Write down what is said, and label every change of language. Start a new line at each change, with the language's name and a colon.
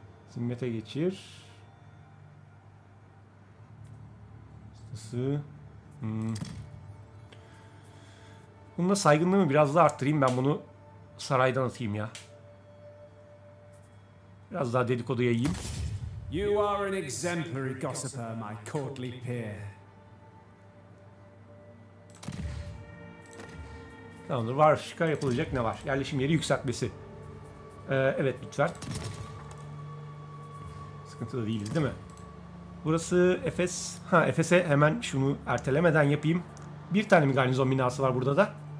Turkish: Zimmete geçir. Ustası. Bununla saygınlığımı biraz daha arttırayım. Ben bunu saraydan atayım ya. Biraz daha dedikodu yayayım.
English: You are an exemplary gossiper, my courtly peer.
Turkish: Tamamdır. Var şıkar yapılacak ne var? Yerleşim yeri yükseltmesi. Evet lütfen. Sıkıntılı değiliz değil mi? Burası Efes. Ha Efes'e hemen şunu ertelemeden yapayım. Bir tane mi garnizon binası var burada da?